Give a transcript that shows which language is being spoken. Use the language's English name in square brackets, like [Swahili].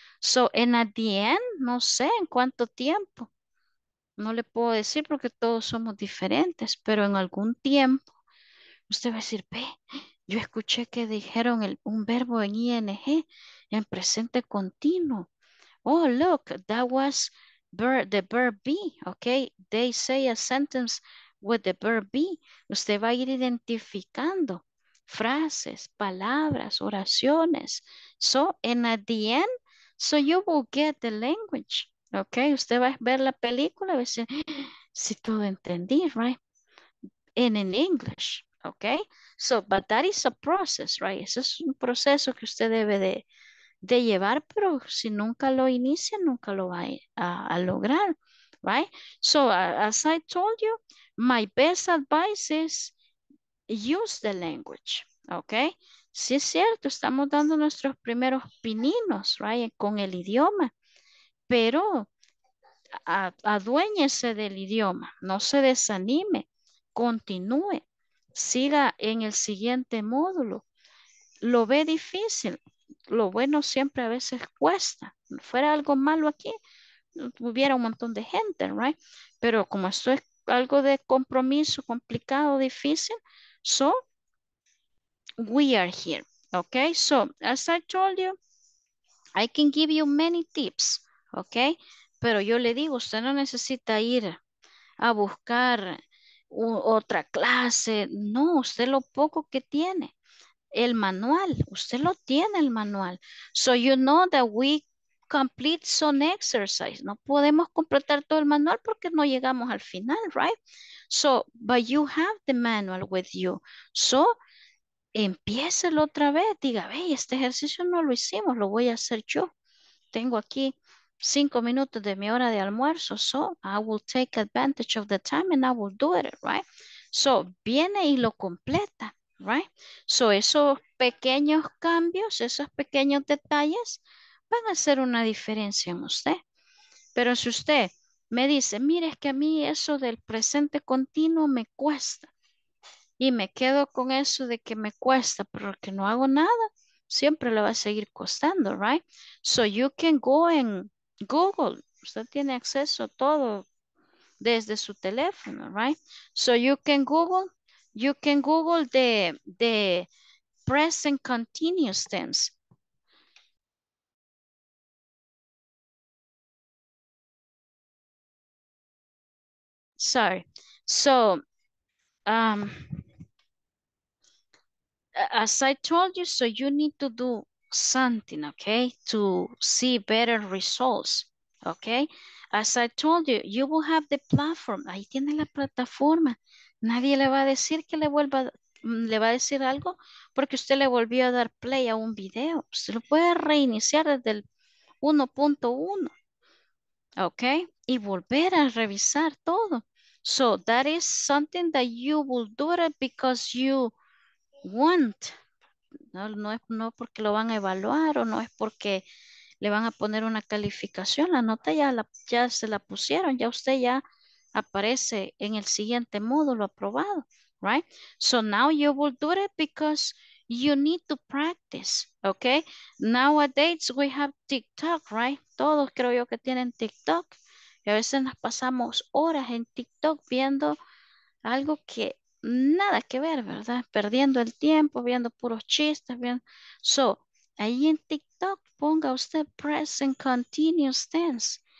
[Spanish] So, en [English] at the end, [Spanish] no sé en cuánto tiempo. No le puedo decir porque todos somos diferentes, pero en algún tiempo usted va a decir, ve, yo escuché que dijeron un verbo en ING, en presente continuo. [English] Oh, look, that was the verb be, ok, they say a sentence with the verb be. [Spanish] Usted va a ir identificando frases, palabras, oraciones, [English] so and at the end, so you will get the language, [Spanish] ok, usted va a ver la película, va a decir, si todo entendí, right, [English] and in English, ok, so, but that is a process, [Spanish] right, ese es un proceso que usted debe de llevar, pero si nunca lo inicia, nunca lo va a lograr, right? [English] So, as I told you, my best advice is use the language, okay? [Spanish] Sí es cierto, estamos dando nuestros primeros pininos, right, con el idioma, pero aduéñese del idioma, no se desanime, continúe, siga en el siguiente módulo. Lo ve difícil. Lo bueno siempre a veces cuesta. Si fuera algo malo aquí, hubiera un montón de gente, right? Pero como esto es algo de compromiso, complicado, difícil, [English] so we are here, okay? So, as I told you, I can give you many tips, okay? [Spanish] Pero yo le digo, usted no necesita ir a buscar otra clase, no, usted lo poco que tiene. El manual, usted lo tiene el manual. [English] So you know that we complete some exercise. [Spanish] No podemos completar todo el manual porque no llegamos al final, right? [English] So, but you have the manual with you. [Spanish] So, empiécelo otra vez. Diga, hey, este ejercicio no lo hicimos, lo voy a hacer yo. Tengo aquí 5 minutos de mi hora de almuerzo. [English] So, I will take advantage of the time and I will do it, right? [Spanish] So, viene y lo completa. Right? So esos pequeños cambios, esos pequeños detalles van a hacer una diferencia en usted. Pero si usted me dice, mire, es que a mí eso del presente continuo me cuesta y me quedo con eso de que me cuesta porque no hago nada, siempre le va a seguir costando, right? [English] So you can go in Google. [Spanish] Usted tiene acceso a todo desde su teléfono, right? [English] So you can Google. You can Google the present continuous tense. Sorry. So, as I told you, so you need to do something, okay, to see better results, okay? As I told you, you will have the platform. [Spanish] Ahí tiene la plataforma. Nadie le va a decir que le vuelva, le va a decir algo porque usted le volvió a dar play a un video. Se lo puede reiniciar desde el 1.1, okay, y volver a revisar todo. [English] So that is something that you will do it because you want. [Spanish] No es porque lo van a evaluar o no es porque le van a poner una calificación. La nota ya se la pusieron. Ya usted ya aparece en el siguiente módulo aprobado, right? [English] So now you will do it because you need to practice, okay? Nowadays we have TikTok, right? [Spanish] Todos creo yo que tienen TikTok. Y a veces nos pasamos horas en TikTok viendo algo que nada que ver, ¿verdad? Perdiendo el tiempo, viendo puros chistes. So, ahí en TikTok ponga usted present continuous tense.